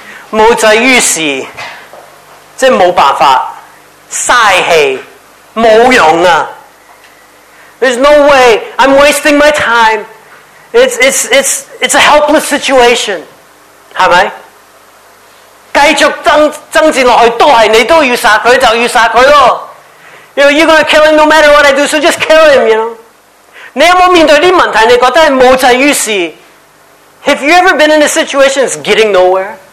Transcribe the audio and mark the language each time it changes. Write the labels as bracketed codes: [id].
[yue] 无济于事，即是没办法，浪费，没用啊。 [en] There's no way. I'm wasting my time. It's a helpless situation. [yue] 是不是? 继续争战下去，都是你都要杀他，就要杀他咯。 [en] You're going to kill him no matter what I do, so just kill him, you know. [yue] 你有没有面对这些问题，你觉得是无济于事? [en] Have you ever been in a situation that's getting nowhere?